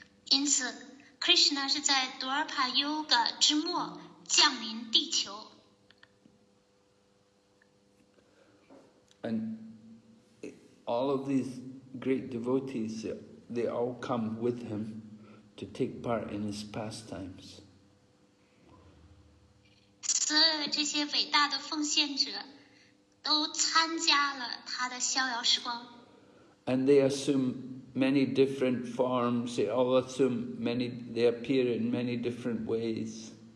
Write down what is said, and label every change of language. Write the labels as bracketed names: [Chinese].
[Chinese] 因此, Krishna 是在 Dwapara Yuga 之末降临地球。 [English] And all of these great devotees, they all come with him to take part in his pastimes. [Chinese] 所有这些伟大的奉献者都参加了他的逍遥时光。 [English] And they assume many different forms, they all assume many, they appear in many different ways.